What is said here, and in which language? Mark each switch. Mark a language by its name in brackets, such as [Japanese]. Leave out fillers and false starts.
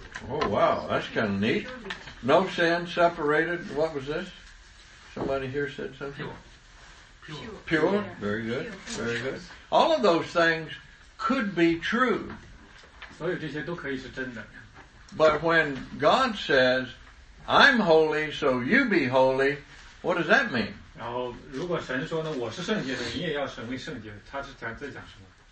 [English] Oh wow, that's kind of neat. No sin, separated. What was this? Somebody here said something? Pure. Yeah. Very good. Very good. All of those things could be true. [Chinese] 所有这些都可以是真的。 [English] But when God says, I'm holy, so you be holy, What does that mean? [Chinese] 然后如果神说呢，我是圣洁的，你也要成为圣洁，他是在这讲什么？